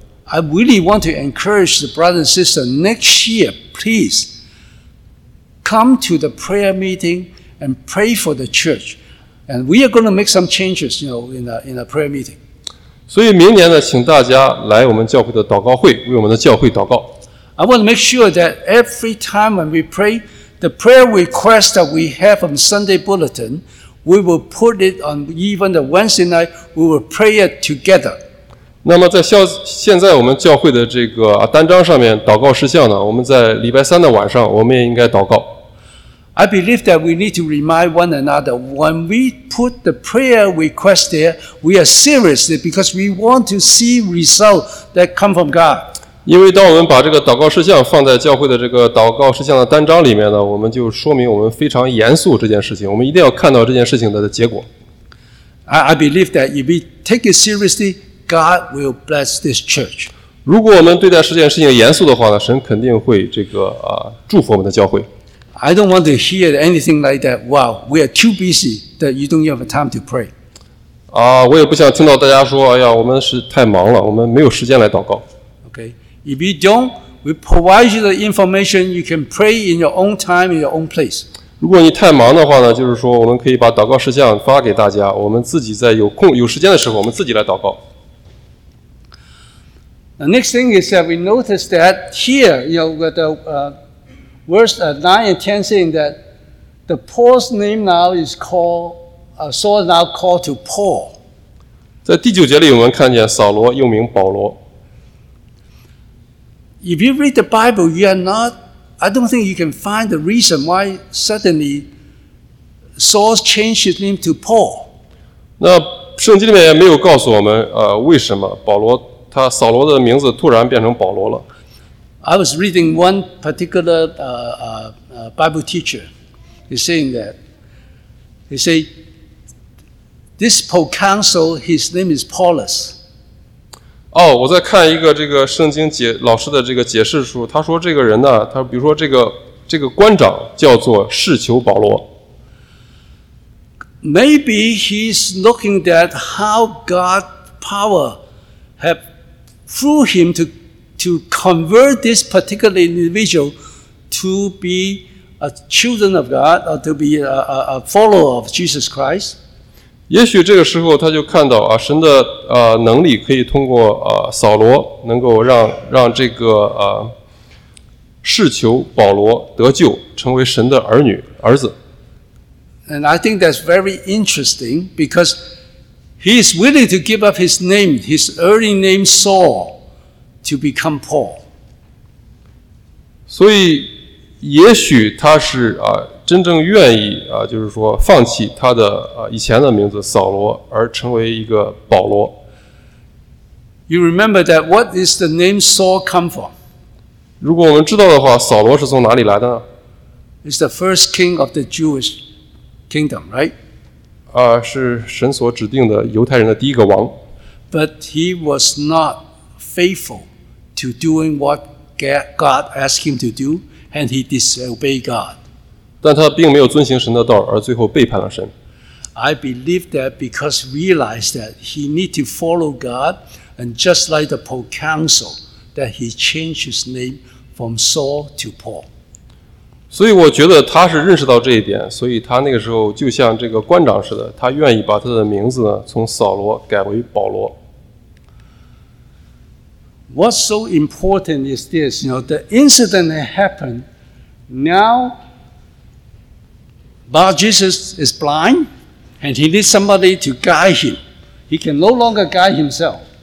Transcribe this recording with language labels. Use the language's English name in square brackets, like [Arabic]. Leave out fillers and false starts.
[English] I really want to encourage the brothers and sisters next year, please come to the prayer meeting and pray for the church. And we are going to make some changes, you know, in a prayer meeting. [Chinese] 所以明年呢，请大家来我们教会的祷告会，为我们的教会祷告。 [English] I want to make sure that every time when we pray, the prayer request that we have on Sunday bulletin, we will put it on even the Wednesday night, we will pray it together. [Chinese] 那么在现在我们教会的这个单张上面祷告事项呢，我们在礼拜三的晚上我们也应该祷告。 [English] I believe that we need to remind one another, when we put the prayer request there, we are seriously because we want to see results that come from God. [Chinese] 因为当我们把这个祷告事项放在教会的这个祷告事项的单章里面呢，我们就说明我们非常严肃这件事情，我们一定要看到这件事情的结果。 [English] I believe that if we take it seriously, God will bless this church. [Chinese] 如果我们对待这件事情严肃的话呢，神肯定会这个祝福我们的教会。 [English] I don't want to hear anything like that. Wow, we are too busy that you don't have time to pray. [Chinese] 我也不想听到大家说，哎呀，我们是太忙了，我们没有时间来祷告。 [English] Okay. If you don't, we provide you the information. You can pray in your own time, in your own place. [Chinese] 如果你太忙的话呢，就是说我们可以把祷告事项发给大家，我们自己在有空有时间的时候，我们自己来祷告。 [English] The next thing is that we notice that here, you know, the verse 9 and 10 saying that the Paul's name now is called Saul now called to Paul. [Chinese] 在第九节里，我们看见扫罗又名保罗。 [English] If you read the Bible, you are not, I don't think you can find the reason why suddenly Saul changed his name to Paul. [Chinese] 那圣经里面也没有告诉我们为什么保罗他扫罗的名字突然变成保罗了。 [English] I was reading one particular Bible teacher. He's saying that. He said, this proconsul, his name is Paulus. [Chinese] 我在看一个这个圣经解老师的这个解释书，他说这个人呢，他比如说这个官长叫做士求保罗。 [English] Maybe he's looking at how God's power have through him to convert this particular individual to be a children of God or to be a follower of Jesus Christ. [Chinese] 也许这个时候他就看到神的能力可以通过扫罗能够让这个士求保罗得救成为神的儿女儿子。 [English] And I think that's very interesting because he is willing to give up his name, his early name Saul, to become Paul. [Chinese] 所以也许他是真正愿意就是说放弃他的以前的名字扫罗而成为一个保罗。 [English] You remember that what is the name Saul come from? [Chinese] 如果我们知道的话扫罗是从哪里来的呢? [English] It's the first king of the Jewish kingdom, right? [Chinese] 是神所指定的犹太人的第一个王。 [English] But he was not faithful to doing what God asked him to do, and he disobeyed God. [Chinese] 但他并没有遵行神的道，而最后背叛了神。 [English] I believe that because realize that he need to follow God, and just like the proconsul, that he changed his name from Saul to Paul. [Chinese] 所以我觉得他是认识到这一点，所以他那个时候就像这个官长似的，他愿意把他的名字从扫罗改为保罗。 [English] What's so important is this, you know, the incident that happened, now, but Jesus is blind, and he needs somebody to guide him. He can no longer guide himself.